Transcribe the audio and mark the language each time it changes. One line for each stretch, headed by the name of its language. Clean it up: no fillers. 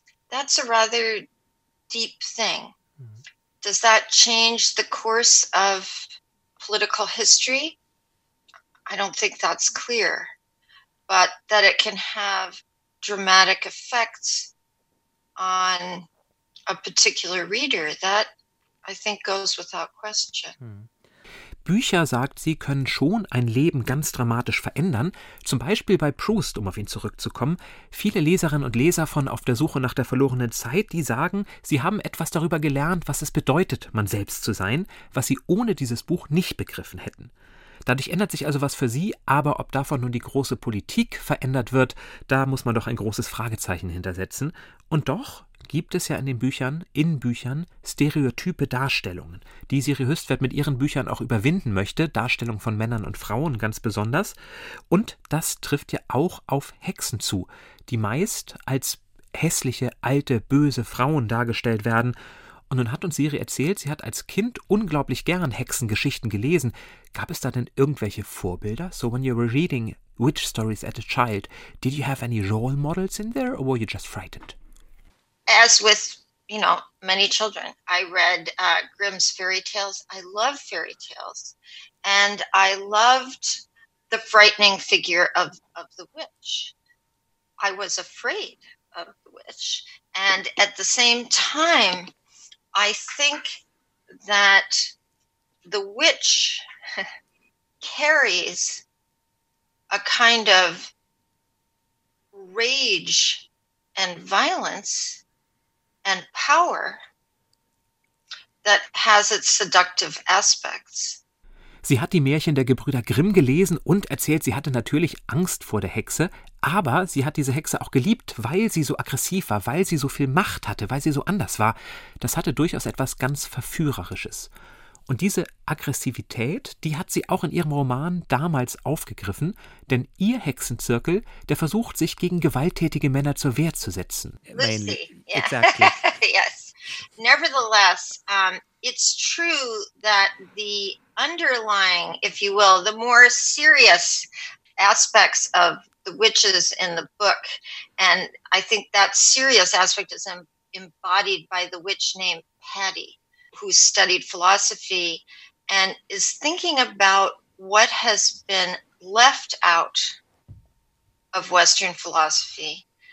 English: That's a rather deep thing. Does that change the course of political history? I don't think that's clear, but that it can have dramatic effects on a particular reader, that I think goes without question.
German: Bücher, sagt sie, können schon ein Leben ganz dramatisch verändern. Zum Beispiel bei Proust, um auf ihn zurückzukommen. Viele Leserinnen und Leser von Auf der Suche nach der verlorenen Zeit, die sagen, sie haben etwas darüber gelernt, was es bedeutet, man selbst zu sein, was sie ohne dieses Buch nicht begriffen hätten. Dadurch ändert sich also was für sie, aber ob davon nun die große Politik verändert wird, da muss man doch ein großes Fragezeichen hintersetzen. Und doch gibt es ja in Büchern, stereotype Darstellungen, die Siri Höstwert mit ihren Büchern auch überwinden möchte, Darstellung von Männern und Frauen ganz besonders. Und das trifft ja auch auf Hexen zu, die meist als hässliche, alte, böse Frauen dargestellt werden. Und nun hat uns Siri erzählt, sie hat als Kind unglaublich gern Hexengeschichten gelesen. Gab es da denn irgendwelche Vorbilder?
English: So when you were reading witch stories as a child, did you have any role models in there or were you just frightened? As with, you know, many children, I read Grimm's fairy tales. I love fairy tales. And I loved the frightening figure of the witch. I was afraid of the witch. And at the same time, I think that the witch carries a kind of rage and violence and power that has its seductive aspects.
German: Sie hat die Märchen der Gebrüder Grimm gelesen und erzählt, sie hatte natürlich Angst vor der Hexe, aber sie hat diese Hexe auch geliebt, weil sie so aggressiv war, weil sie so viel Macht hatte, weil sie so anders war. Das hatte durchaus etwas ganz Verführerisches. Und diese Aggressivität, die hat sie auch in ihrem Roman damals aufgegriffen, denn ihr Hexenzirkel, der versucht, sich gegen gewalttätige Männer zur Wehr zu setzen.
English: Yes. Nevertheless, it's true that the underlying, if you will, the more serious aspects of the witches in the book, and I think that serious aspect is embodied by the witch named Patty, who studied philosophy and is thinking about what has been left out of Western philosophy.